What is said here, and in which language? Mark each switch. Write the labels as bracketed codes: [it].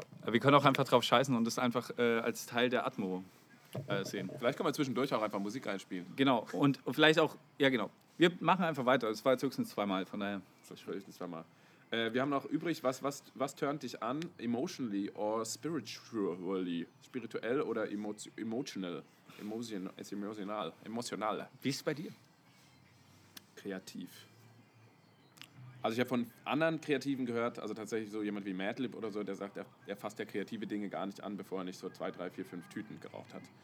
[de] Wir können auch einfach drauf scheißen und das einfach als Teil der Atmo sehen. Vielleicht können wir zwischendurch auch einfach Musik einspielen. Genau. Und vielleicht auch. Ja, genau. Wir machen einfach weiter. Das war jetzt höchstens zweimal, von daher. Vielleicht höchstens zweimal. Wir haben noch übrig, was turnt dich an? [en] Emotionally or spiritually? [de] Spirituell oder emotional? Emotional. Wie ist es bei dir? Kreativ. Also ich habe von anderen Kreativen gehört, also tatsächlich so jemand wie Madlib oder so, der sagt, er fasst ja kreative Dinge gar nicht an, bevor er nicht so 2, 3, 4, 5 Tüten geraucht hat.